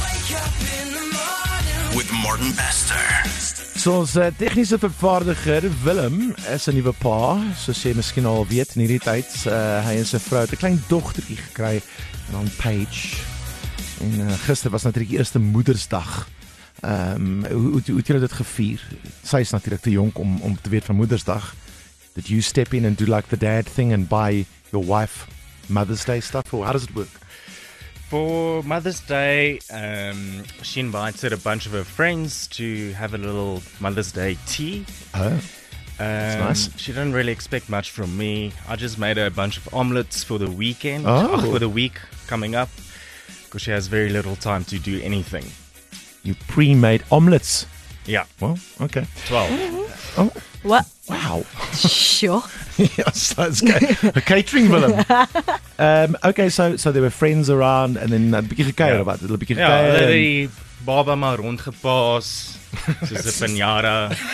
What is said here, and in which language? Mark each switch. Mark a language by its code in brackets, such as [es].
[en] Wake up in the morning with Martin Bester. [af] So ons tegniese vervaardiger Willem is 'n nuwe pa, soos jy miskien al weet in hierdie tyd. Hy en sy vrou het 'n klein dogtertjie gekry, en dan Paige. En gister was natuurlijk die eerste moedersdag. Hoe het julle dit gevier? Sy is natuurlijk te jong om te weet van moedersdag. [en] Did you step in and do like the dad thing and buy your wife Mother's Day stuff? Or how does it work? For Mother's Day, she invited a bunch of her friends to have a little Mother's Day tea. Oh, that's nice. She didn't really expect much from me. I just made her a bunch of omelets for the weekend, for the week coming up, because she has very little time to do anything. You pre-made omelets? Yeah. Well, okay. 12. Oh. What? Wow. Sure. Yes, that's a catering villain. Okay, so there were friends around, and then [af] they baba maar rondgepas, soos 'n pinjara.